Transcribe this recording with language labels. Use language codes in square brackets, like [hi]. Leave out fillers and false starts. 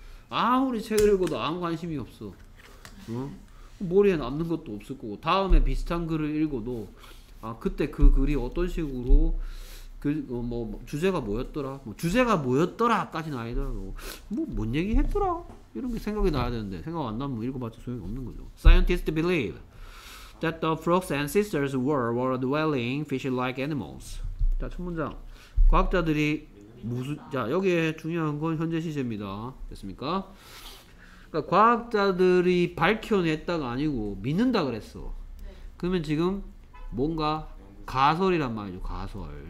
[ko] 아무리 책을 읽어도 아무 관심이 없어. 응? 머리에 남는 것도 없을 거고 다음에 비슷한 글을 읽어도 아 그때 그 글이 어떤 식으로 그 뭐 뭐, 주제가 뭐였더라 뭐 주제가 뭐였더라 까지는 아니더라도 뭐 뭔 얘기 했더라 이런 게 생각이 나야 되는데 생각 안 나면 읽어봤자 소용이 없는 거죠. [en] Scientists believe that the frogs' ancestors were water-dwelling fish-like animals. [ko] 자, 첫 문장. 과학자들이 무슨 자 여기에 중요한 건 현재 시제입니다. 됐습니까? 그러니까 과학자들이 밝혀냈다가 아니고 믿는다 그랬어. 그러면 지금 뭔가 가설이란 말이죠. 가설.